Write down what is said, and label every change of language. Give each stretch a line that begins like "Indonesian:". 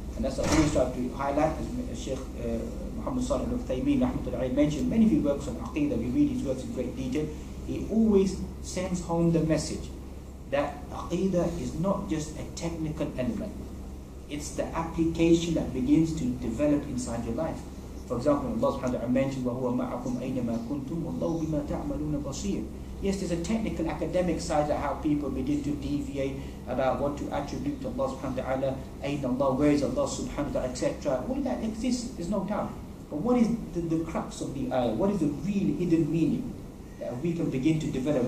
English: And that's what we start to highlight, as Sheikh Muhammad Salih al-Uthaymeen rahmatullahi mentioned. Many of you works on Aqeedah, we read his works in great detail. He always sends home the message that Aqeedah is not just a technical element. It's the application that begins to develop inside your life. For example, Allah subhanahu wa ta'ala mentioned,
Arabic: وَهُوَ مَعَكُمْ أَيْنَمَا كُنْتُمْ وَاللَّهُ بِمَا تَعْمَلُونَ بَصِيرٌ.
English: Yes, there's a technical academic side of how people begin to deviate about what to attribute to Allah subhanahu wa ta'ala, Ayn Allah, where is Allah subhanahu wa ta'ala, etc. All that exists, there's no doubt. But what is the crux of the ayah? What is the real hidden meaning that we can begin to develop?